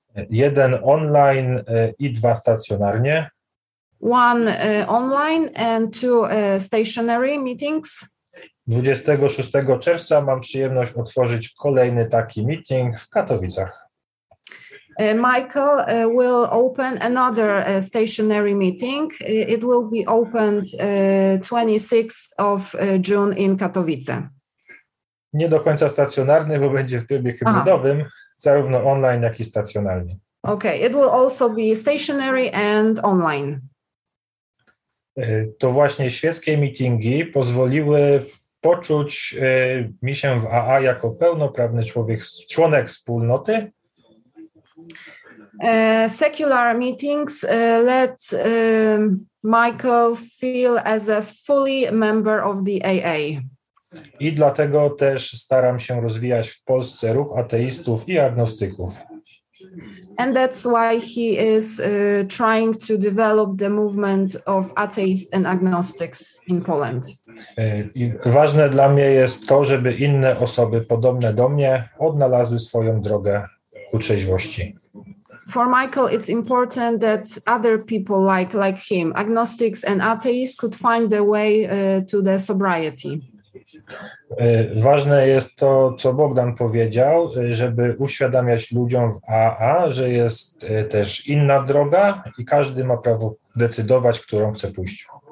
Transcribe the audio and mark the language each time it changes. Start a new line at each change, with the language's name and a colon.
Polish: Jeden online i 2 stacjonarnie.
English: One online and 2 stationary meetings.
Polish: 26 czerwca mam przyjemność otworzyć kolejny taki meeting w Katowicach.
English: Michael will open another stationary meeting. It will be opened 26th of June in Katowice.
Polish: Nie do końca stacjonarny, bo będzie w trybie hybrydowym, zarówno online, jak i stacjonarnie.
English: Okay, it will also be stationary and online.
Polish: To właśnie świeckie meetingi pozwoliły poczuć mi się w AA jako pełnoprawny człowiek, członek wspólnoty.
English: Secular meetings let Michael feel as a fully member of the AA.
Polish: I dlatego też staram się rozwijać w Polsce ruch ateistów i agnostyków.
English: And that's why he is trying to develop the movement of atheists and agnostics in Poland.
Polish: Ważne dla mnie jest to, żeby inne osoby podobne do mnie odnalazły swoją drogę ku trzeźwości.
English: For Michael, it's important that other people like him, agnostics and atheists, could find their way to their sobriety.
Polish: Ważne jest to, co Bogdan powiedział, żeby uświadamiać ludziom w AA, że jest też inna droga i każdy ma prawo decydować, którą chce pójść.